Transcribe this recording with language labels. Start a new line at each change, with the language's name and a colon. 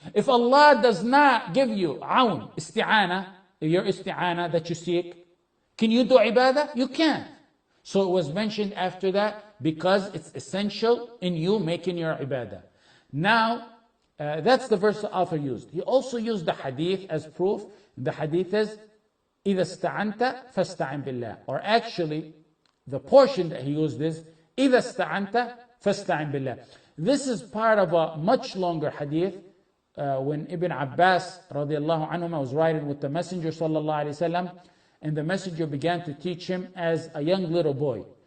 English: If Allah does not give you awn, isti'ana, your isti'ana that you seek, can you do ibadah? You can't. So it was mentioned after that because it's essential in you making your ibadah. Now, that's the verse the author used. He also used the hadith as proof. The hadith is,
Arabic: إِذَا اسْتَعَنْتَ فَاسْتَعِنْ بِاللَّهِ.
English: Or actually, the portion that he used is,
Arabic: إِذَا اسْتَعَنْتَ فَاسْتَعِنْ بِاللَّهِ.
English: This is part of a much longer hadith. When Ibn Abbas radiallahu anhu was riding with the Messenger sallallahu alayhi wasallam, and the Messenger began to teach him as a young little boy.